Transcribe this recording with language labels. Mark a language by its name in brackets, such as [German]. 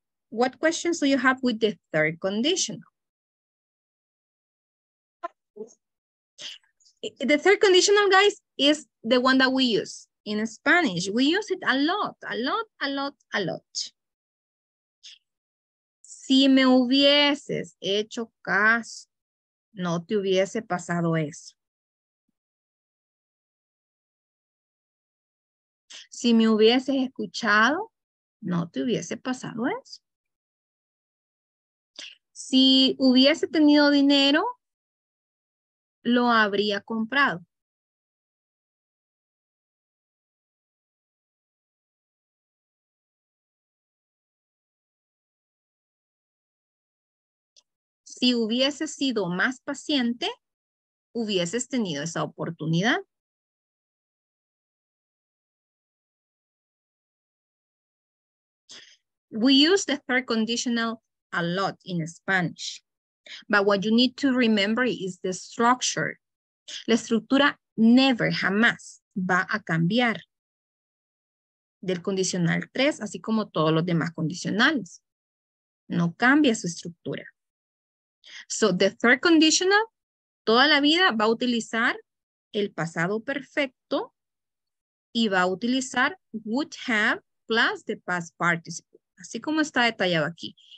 [English] What questions do you have with the third conditional? The third conditional, guys, is the one that we use in Spanish. We use it a lot, a lot, a lot, a lot. [Spanish] Si me hubieses hecho caso, no te hubiese pasado eso. Si me hubieses escuchado, no te hubiese pasado eso. Si hubiese tenido dinero, lo habría comprado. Si hubiese sido más paciente, hubieses tenido esa oportunidad. [English] We use the third conditional a lot in Spanish. But what you need to remember is the structure. [Spanish] La estructura never, jamás, va a cambiar del condicional 3, así como todos los demás condicionales. No cambia su estructura. [English] So the third conditional, [Spanish] toda la vida va a utilizar el pasado perfecto y va a utilizar [English] would have plus the past participle, [Spanish] así como está detallado aquí.